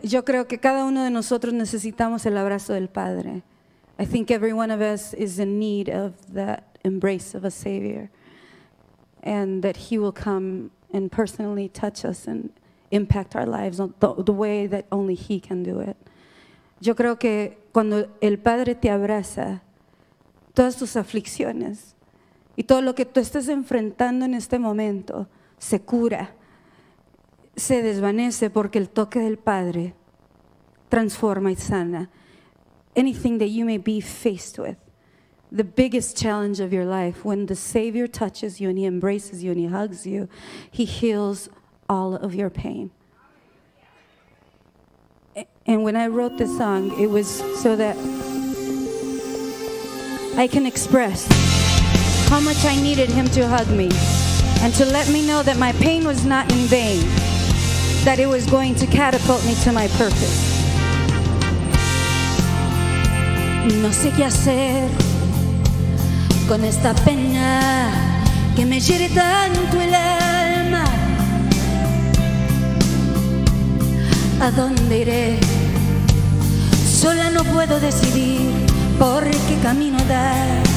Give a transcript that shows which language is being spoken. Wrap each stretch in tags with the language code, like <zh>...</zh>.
<es>Yo creo que cada uno de nosotros necesitamos el abrazo del Padre.</es> <en>I think every one of us is in need of that embrace of a Savior, and that He will come and personally touch us and impact our lives the way that only He can do it.</en> <es>Yo creo que cuando el Padre te abraza, todas tus aflicciones y todo lo que tú estás enfrentando en este momento se cura, se desvanece, porque el toque del Padre transforma y sana.</es> <en>Anything that you may be faced with, the biggest challenge of your life, when the Savior touches you and He embraces you and He hugs you, He heals all of your pain. And when I wrote this song, it was so that I can express how much I needed Him to hug me and to let me know that my pain was not in vain, that it was going to catapult me to my purpose.</en> <es>No sé qué hacer con esta pena que me hiere tanto el alma. ¿A dónde iré? Sola no puedo decidir por qué camino dar.</es>